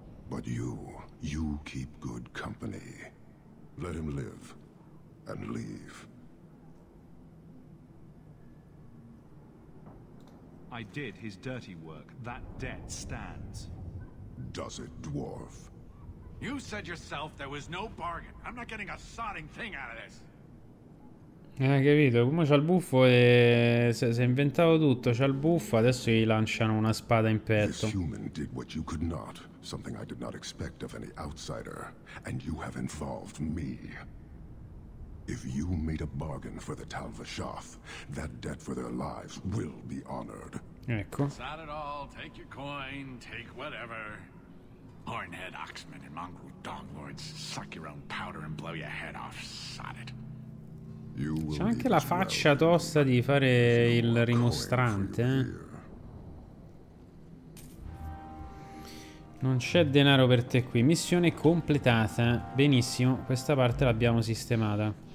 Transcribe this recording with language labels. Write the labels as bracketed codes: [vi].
[en] But you keep good company. Let him live and leave. I did his dirty work. That debt stands. Does it, dwarf? You said yourself there was no bargain. I'm not getting a sodding thing out of this. [it] Capito, come c'ha il buffo e si è inventato tutto, c'ha il buffo, adesso gli lanciano una spada in petto. [en] This human did what you could not, something I did not expect of any outsider, and you have involved me. If you made a bargain for the Talvashoth, that debt for their lives will be honored. [it] Ecco. [en] Not at all, take your coin, take whatever. Hornhead oxmen and mongrel donglords, suck your own powder and blow your head off, sod it. [it] C'è anche la faccia tosta di fare il rimostrante, Non c'è denaro per te qui. Missione completata. Benissimo, questa parte l'abbiamo sistemata.